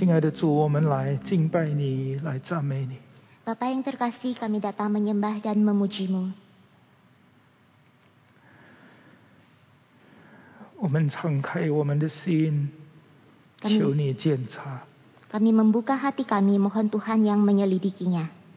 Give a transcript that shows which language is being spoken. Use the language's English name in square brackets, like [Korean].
[Chinese] 主，我们来敬拜你，来赞美你。 [Indonesian] Bapa yang terkasih, kami datang menyembah dan memujimu. [Chinese] 我们敞开我们的心，求你鉴察。 [Indonesian] Kami membuka hati kami, mohon Tuhan yang menyelidikinya.